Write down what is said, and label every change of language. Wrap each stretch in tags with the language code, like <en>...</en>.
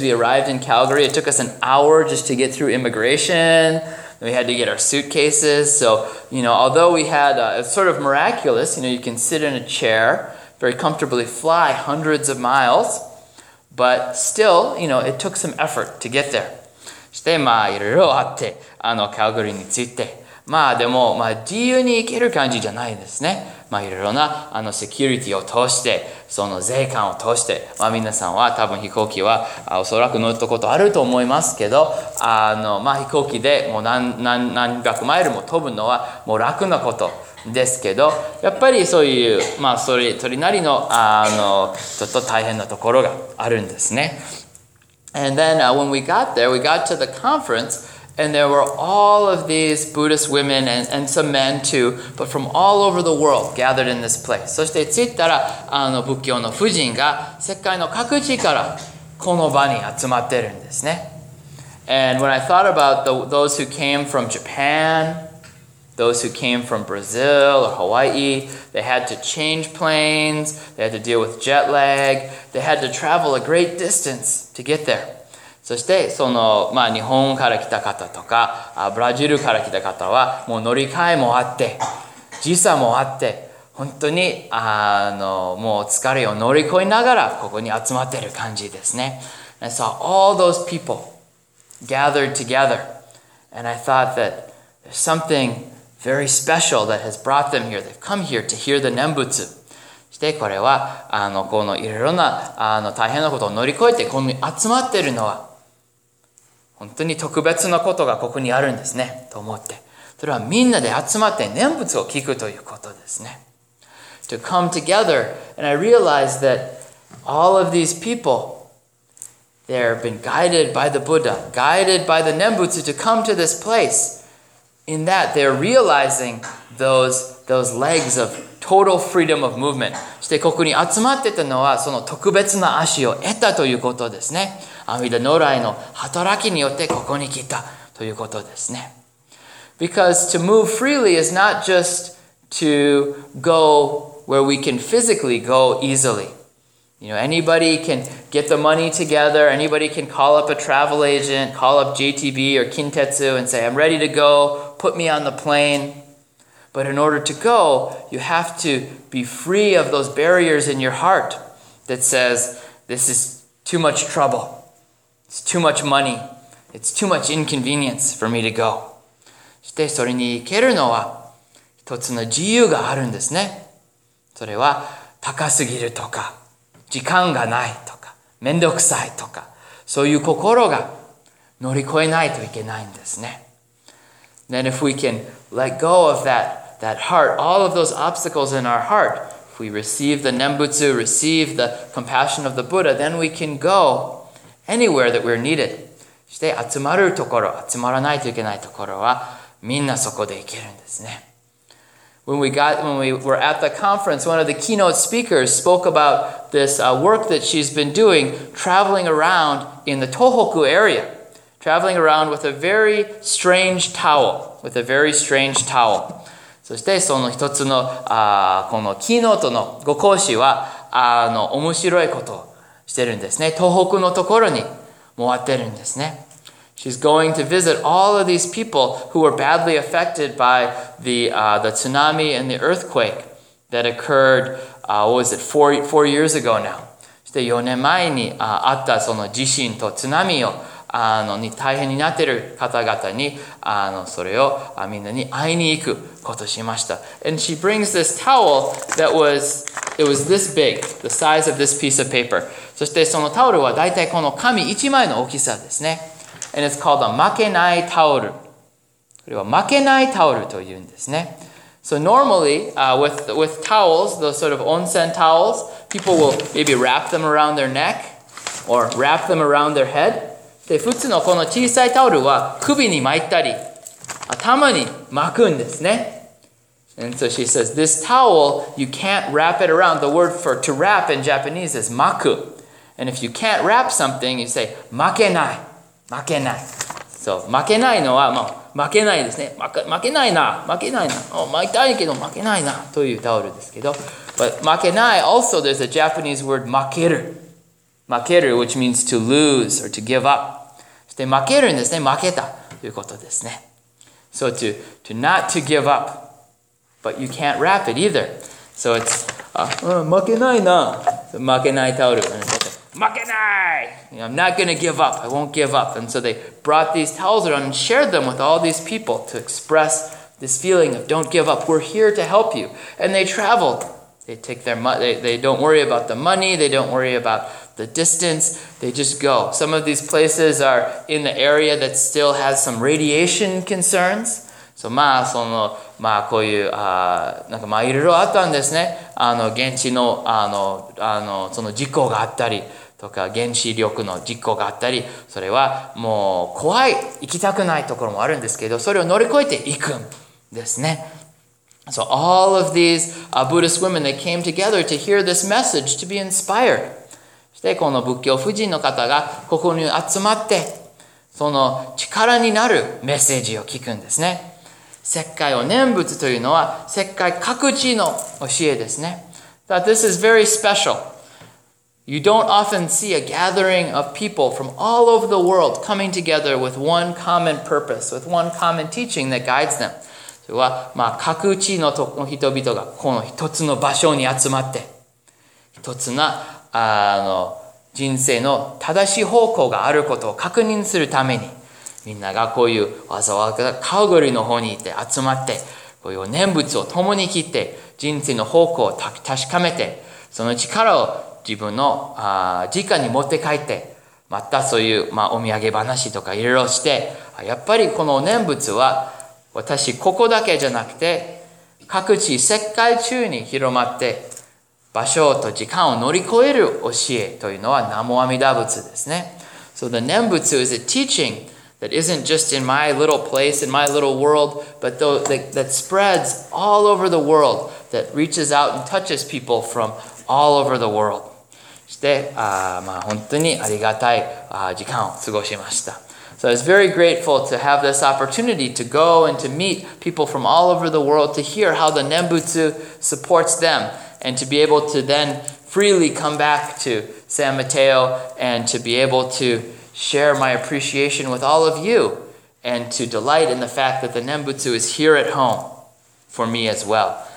<en>We arrived in Calgary. It took us an hour just to get through immigration. We had to get our suitcases. So, you know, although we had, it's sort of miraculous, you know, you can sit in a chair, very comfortably fly hundreds of miles, but still, you know, it took some effort to get there.</en> <ja>そして、まあ、いろいろあって、カルガリーについて。まあ、でも、まあ、自由に行ける感じじゃないですね。まあ、いろいろな、セキュリティを通して、その税関を通して、まあ、皆さんは多分飛行機は、おそらく乗ったことあると思いますけど、まあ、飛行機でもう何百マイルも飛ぶのは、もう楽なことですけど、やっぱりそういう、まあ、それなりの、ちょっと大変なところがあるんですね。</ja> <en>And then, when we got there, we got to the conference,And there were all of these Buddhist women and some men too, but from all over the world gathered in this place.</en> <ja>そして着いたら、仏教の婦人が世界の各地からこの場に集まってるんですね。</ja> <en>And when I thought about those who came from Japan, those who came from Brazil or Hawaii, they had to change planes, they had to deal with jet lag, they had to travel a great distance to get there.</en> <ja>そして、その、まあ、日本から来た方とか、ブラジルから来た方は、もう乗り換えもあって、時差もあって、本当にもう疲れを乗り越えながらここに集まってる感じですね。</ja> <en>And I saw all those people gathered together. And I thought that there's something very special that has brought them here. They've come here to hear the Nembutsu.</en> <ja>してこれはこのいろいろな大変なことを乗り越えてここに集まってるのは本当に特別なことがここにあるんですね。と思って。それはみんなで集まって念仏を聞くということですね。</ja> <en>To come together, and I realized that all of these people, they've been guided by the Buddha, guided by the Nembutsu to come to this place. In that, they're realizing those legs of total freedom of movement.</en> <ja>そしてここに集まってたのは、その特別な足を得たということですね。阿弥陀如来の働きによってここに来たということですね。</ja> <en>Because to move freely is not just to go where we can physically go easily. You know, anybody can get the money together, anybody can call up a travel agent, call up JTB or Kintetsu and say, I'm ready to go, put me on the plane. But in order to go, you have to be free of those barriers in your heart that says, this is too much trouble, it's too much money, it's too much inconvenience for me to go.</en> <ja>そしてそれに行けるのは一つの自由があるんですね。それは高すぎるとか、時間がないとか、めんどくさいとか、そういう心が乗り越えないといけないんですね。</ja> <en>Then if we can let go of that heart, all of those obstacles in our heart, if we receive the Nembutsu, receive the compassion of the Buddha, then we can go anywhere that we're needed.</en> <ja>そして集まるところ、集まらないといけないところはみんなそこで行けるんですね。</ja> <en>When we were at the conference, one of the keynote speakers spoke about this work that she's been doing, traveling around in the Tohoku area, traveling around with a very strange towel, with a very strange towel.</en> <ja>そしてその一つのこのキーノートのご講師は面白いことをしてるんですね。東北のところに回ってるんですね。</ja> <en>She's going to visit all of these people who were badly affected by the tsunami and the earthquake that occurred, four years ago now.</en> <ja>そして4年前にあったその地震と津波をに大変になっている方々にそれをみんなに会いに行くことをしました。</ja> <en>And she brings this towel that was, it was this big, the size of this piece of paper.</en> <ja>そしてそのタオルは大体この紙1枚の大きさですね。</ja> <en>And it's called a</en> <ja>負けないタオル。これは負けないタオルというんですね。</ja> <en>So normally, with towels, those sort of onsen towels, people will maybe wrap them around their neck or wrap them around their head.</en> <ja>で、普通のこの小さいタオルは首に巻いたり、頭に巻くんですね。</ja> <en>And so she says, this towel, you can't wrap it around. The word for to wrap in Japanese is 巻く。 And if you can't wrap something, you say</en> <ja>負けない。負けない。そう。負けないのは、もう、負けないですね。負けないな。負けたいけど、負けないな。というタオルですけど。</ja> <en>But 負けない、also there's a Japanese word 負ける。負ける、which means to lose or to give up.</en> <ja>そして負けるんですね。負けた。ということですね。</ja> <en>So to not to give up. But you can't wrap it either. So it's,</en> <ja>負けないな。負けないタオル。</ja> <en>Makenai! I'm not going to give up. I won't give up. And so they brought these towels around and shared them with all these people to express this feeling of don't give up. We're here to help you. And they traveled. They take their money. They don't worry about the money. They don't worry about the distance. They just go. Some of these places are in the area that still has some radiation concerns. So,</en> <ja>こういう、いろいろあったんですね。現地の、その事故があったりとか、原子力の事故があったり、それはもう怖い、行きたくないところもあるんですけど、それを乗り越えていくんですね。</ja> <en>So, all of these, Buddhist women, they came together to hear this message, to be inspired.</en> <ja>そして、この仏教婦人の方が、ここに集まって、その力になるメッセージを聞くんですね。石灰を念仏というのは石灰各地の教えですね。</ja> <en>That this is very special. You don't often see a gathering of people from all over the world coming together with one common purpose, with one common teaching that guides them.</en> <ja>それは、まあ、各地の人々がこの一つの場所に集まって、一つな、人生の正しい方向があることを確認するために、みんながこういうわざわざカルガリーの方に行って集まって、こういう念仏を共に切って、人生の方向を確かめて、その力を自分の、実家に持って帰って、またそういう、まあ、お土産話とかいろいろして、やっぱりこの念仏は、私、ここだけじゃなくて、各地、世界中に広まって、場所と時間を乗り越える教えというのは、南無阿弥陀仏ですね。</ja> <en>So the 念仏 is a teaching that isn't just in my little place, in my little world, but that spreads all over the world, that reaches out and touches people from all over the world.</en> <ja>そして、まあ、本当にありがたい時間を過ごしました。</ja> <en>So I was very grateful to have this opportunity to go and to meet people from all over the world to hear how the Nembutsu supports them and to be able to then freely come back to San Mateo and to be able to share my appreciation with all of you and to delight in the fact that the Nembutsu is here at home for me as well.</en>